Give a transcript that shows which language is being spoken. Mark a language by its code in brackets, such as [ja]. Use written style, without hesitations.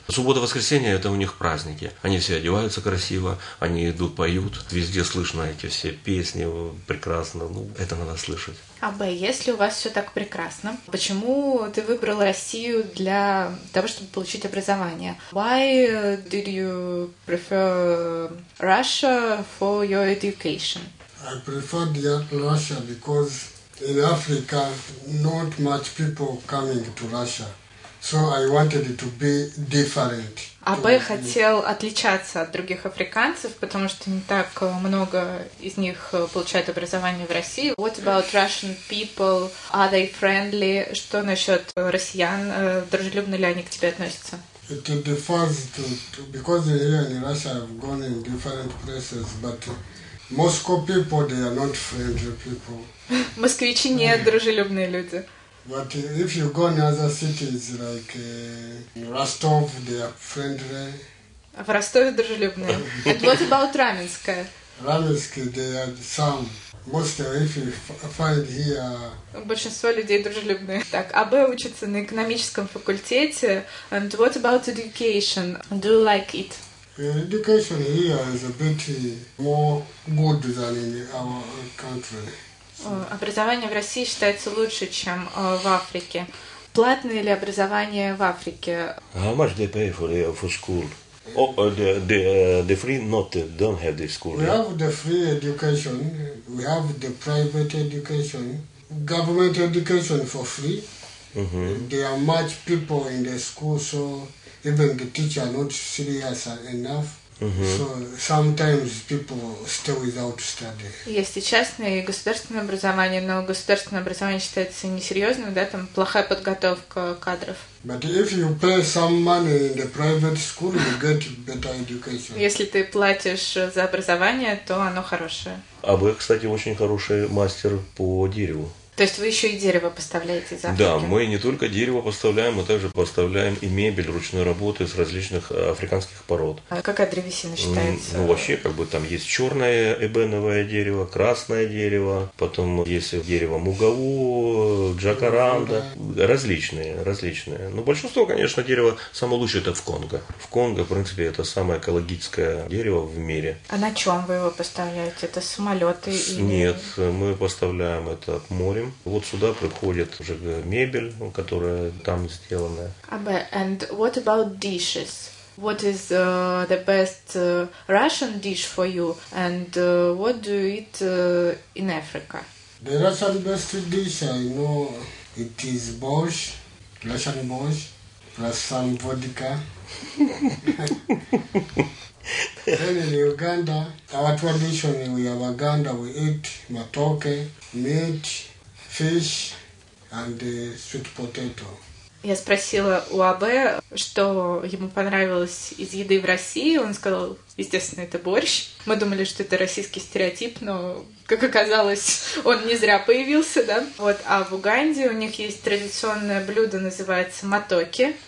[ru] Суббота-воскресенье – это у них праздники. Они все одеваются красиво, они идут, поют. Везде слышно эти все песни прекрасно. Ну, это надо слышать. Абе, если у вас все так прекрасно, почему ты выбрал Россию для того, чтобы получить образование? [en] Why did you prefer Russia for your education? I preferred Russia because in Africa not much people coming to Russia, so I wanted it to be different. [ru] Абе хотел отличаться от других африканцев, потому что не так много из них получают образование в России. [en] What about Russian people? Are they friendly? [ru] Что насчет россиян? Дружелюбно ли они к тебе относятся? [en] It's the first, because here in Russia I've gone in different places, but Moscow people, they are not friendly people. [ru] Москвичи не дружелюбные люди. [en] But if you go in other cities like Rostov, they are friendly. [ru] В Ростове дружелюбные. [en] And what about Раменское? Раменское, they are some. Most if you find here. [ru] Большинство людей дружелюбные. Так, АБ учится на экономическом факультете. [en] And what about education? Do you like it? Education here is a bit more good than in our country. [ru] Образование в России считается лучше, чем в Африке. Платное ли образование в Африке? [en] How much they pay for school? Oh, the free not don't have the school. We have the free education. We have the private education. Government education for free. There are much people in the school, so even the teacher not serious enough. So sometimes people stay without study. [ru] Есть и частное, и государственное образование, но государственное образование считается несерьезным, да, там плохая подготовка кадров. [en] But if you pay some money in the private school, you get better education. [ru] Если ты платишь за образование, то оно хорошее. А вы, кстати, очень хороший мастер по дереву. То есть вы еще и дерево поставляете из Африки? Да, мы не только дерево поставляем, мы также поставляем и мебель ручной работы из различных африканских пород. А какая древесина считается? Ну, вообще, как бы там есть черное эбеновое дерево, красное дерево, потом есть дерево мугаву, джакаранда, различные. Но большинство, конечно, дерево самое лучшее – это в Конго. В Конго, в принципе, это самое экологическое дерево в мире. А на чем вы его поставляете? Это самолеты? Нет, мы поставляем это от моря. Вот сюда приходит уже мебель, которая там сделана. [en] Абе, and what about dishes? What is the best Russian dish for you? And what do you eat in Africa? The Russian best dish, I know, it is borscht, Russian borscht, plus some vodka. Then in Uganda, our tradition, we have Uganda, we eat matoke, meat, fish and sweet potato. [ru] Я спросила у АБ, что ему понравилось из еды в России. Он сказал, естественно, это борщ. Мы думали, что это российский стереотип, но, как оказалось, он не зря появился, да? Вот, а в Уганде у них есть традиционное блюдо, называется матоки.